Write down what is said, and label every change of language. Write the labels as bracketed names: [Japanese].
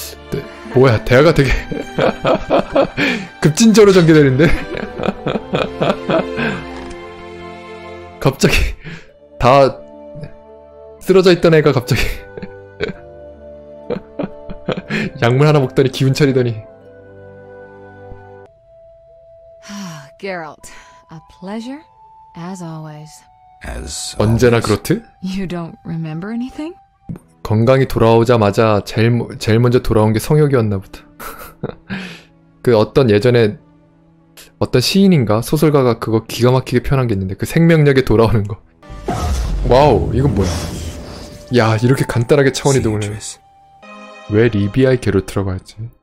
[Korean] 네, 뭐야 대화가 되게 급진적으로 전개되는데. 갑자기 다 쓰러져 있던 애가 갑자기 약물 하나 먹더니 기분 차리더니. [English] Geralt, a pleasure as always. As always. [Korean] 언제나 그렇듯? [English] You don't remember anything? [Korean] 건강이 돌아오자마자 제일 먼저 돌아온 게 성욕이었나 보다. 그 어떤 예전에 어떤 시인인가 소설가가 그거 기가 막히게 표현한 게 있는데, 그 생명력에 돌아오는 거. 와우, 이건 뭐야? 야, 이렇게 간단하게 차원이 동원해. 왜 리비아의 게롤트라고 하지?